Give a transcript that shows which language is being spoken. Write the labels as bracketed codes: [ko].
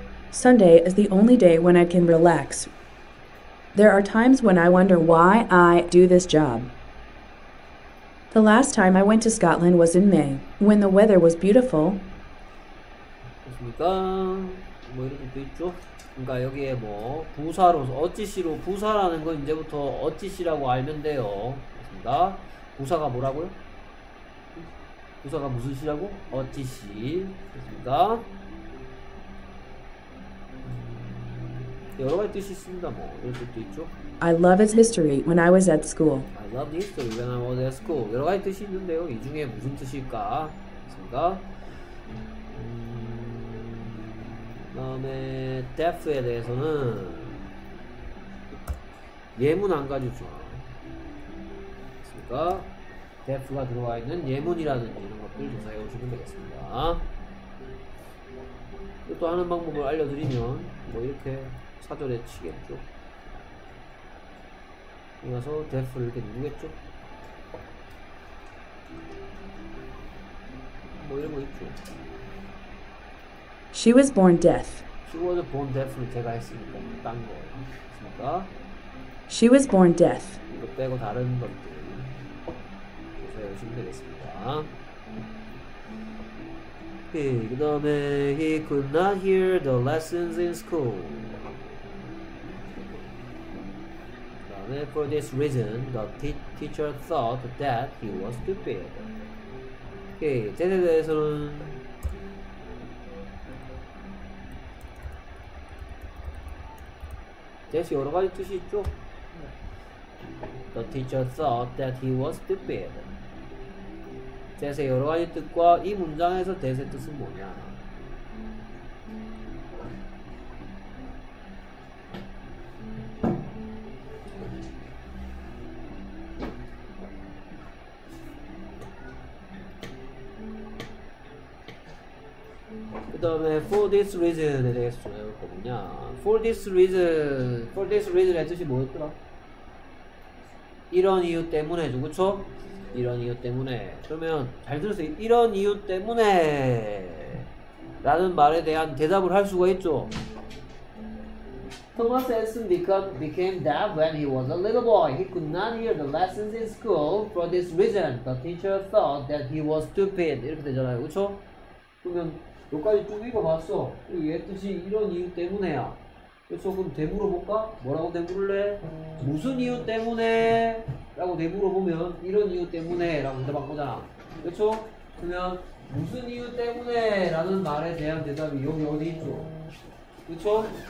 [en] Sunday is the only day when I can relax. There are times when I wonder why I do this job. The last time I went to Scotland was in May, when the weather was beautiful. [ko] 그렇습니까? 뭐 이런 것도 있죠. 그러니까 여기에 뭐 부사로서 어찌시로 부사라는 건 이제부터 어찌시라고 알면 돼요. 그렇습니다. 부사가 뭐라고요? 부사가 무슨 시라고? 어찌시. 그렇습니다. 여러 가지 뜻이 있습니다. 뭐 이런 뜻도 있죠. [en] I love his history when I was at school. I love the history when I was at school. [ko] 여러 가지 뜻이 있는데요. 이 중에 무슨 뜻일까? 그렇습니다. 다음에 deaf에 대해서는 예문 안 가져줘. 그러니까 deaf가 들어와 있는 예문이라든지 이런 것들 조사해 오시면 되겠습니다. 또 하는 방법을 알려드리면 뭐 이렇게 사전에 치겠죠. 이어서 deaf를 이렇게 누르겠죠. 뭐 이런 거 있죠. [en] She was born deaf. [ko] She was born deaf 는 제가 했으니까 딴 거예요. 그러니까 [en] She was born deaf. [ko] 이거 빼고 다른 것들 조사해 주시면 되겠습니다. 오케이. [en] 그 다음에 He could not hear the lessons in school. 그 다음에 For this reason, the teacher thought that he was stupid. [ko] 오케이. 쟤네 대해서는 대시 여러 가지 뜻이 있죠. [en] The teacher thought that he was stupid. [ko] 대시 여러 가지 뜻과 이 문장에서 대시 뜻은 뭐냐? 그다음에 for this reason 에 대해서 조사해 볼 거냐? For this reason 의 뜻이 뭐였더라? 이런 이유 때문에, 그렇죠? 이런 이유 때문에. 그러면 잘 들으세요. 이런 이유 때문에라는 말에 대한 대답을 할 수가 있죠. [en] Thomas Edison became deaf when he was a little boy. He could not hear the lessons in school. For this reason, the teacher thought that he was stupid. [ko] 이렇게 되잖아요, 그렇죠? 그러면 여기까지 쭉 읽어봤어. 얘 뜻이 이런 이유 때문에야. 그래서 그럼 되물어볼까? 뭐라고 되물래? 무슨 이유 때문에? 라고 되물어보면 이런 이유 때문에 라고 대답한 거잖아. 그렇죠? 그러면 무슨 이유 때문에? 라는 말에 대한 대답이 여기 어디 있죠? 그렇죠?